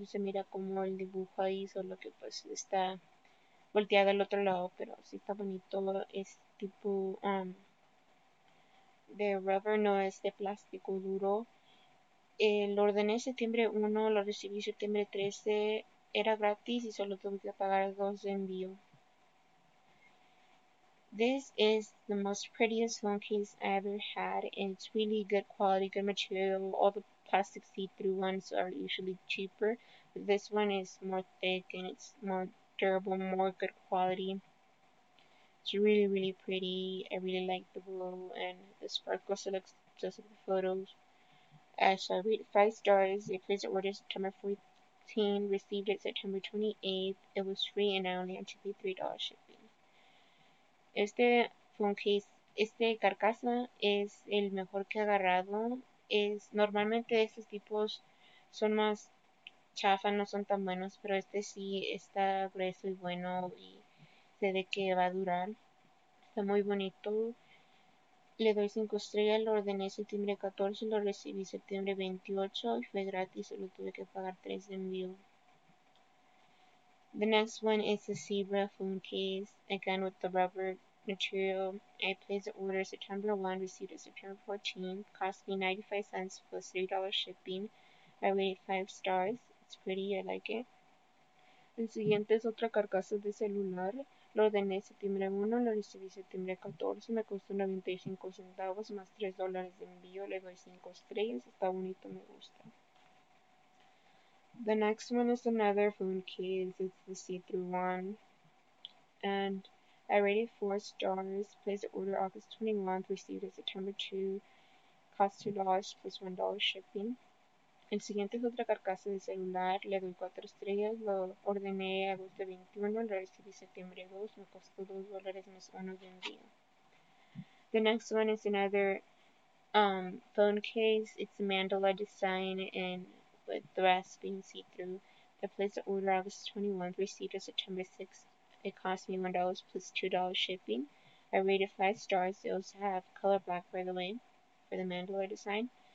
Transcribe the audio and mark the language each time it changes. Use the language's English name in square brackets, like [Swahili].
[Spanish] Se mira como el dibujo ahí, solo que pues está volteada al otro lado, pero sí está bonito. Es tipo de rubber, no es de plástico duro. Lo ordené septiembre 1, lo recibí septiembre 13. Era gratis y solo tuve que pagar 2 de envío. [English] This is the most prettiest phone case I ever had, and it's really good quality, good material. All the plastic see-through ones are usually cheaper, but this one is more thick and it's more durable, more good quality. It's really, really pretty. I really like the glow and the sparkle, so it looks just like the photos. So I rated 5 stars. I placed the order September 14, received it September 28th. It was free and I only had to pay $3 shipping. [Spanish] Este phone case, este carcasa es el mejor que he agarrado. Es normalmente estos tipos son más chafa, no son tan buenos, pero este sí está grueso y bueno y se ve que va a durar. Está muy bonito. Le doy 5 estrellas, lo ordené septiembre 14, lo recibí septiembre 28 y fue gratis, solo tuve que pagar 3 de envío. [English] The next one is a zebra phone case, again with the rubber material. I placed the order September 1, received it September 14. Cost me 95 cents plus $3 shipping. I rated 5 stars. It's pretty, I like it. [Spanish] El siguiente es otra carcasa de celular. Lo ordené septiembre 1, lo recibí septiembre 14. Me costó 95 centavos más $3 de envío. Le doy 5 estrellas. Está bonito, me gusta. [English] The next one is another phone case. It's the see-through one. And I rated 4 stars. Placed the order August 21. Received it September 2. Cost $2 plus $1 shipping. [Spanish] El siguiente es otra carcasa de celular. Le doy 4 estrellas. Lo ordené agosto 21. Lo recibí septiembre 2. Me costó $2 más 1 de envío. [English] The next one is another phone case. It's a Mandala design and with the rest being see-through. I placed the order August 21, received it September 6th. It cost me $1 plus $2 shipping. I rated 5 stars. They also have color black, by the way, for the Mandala design.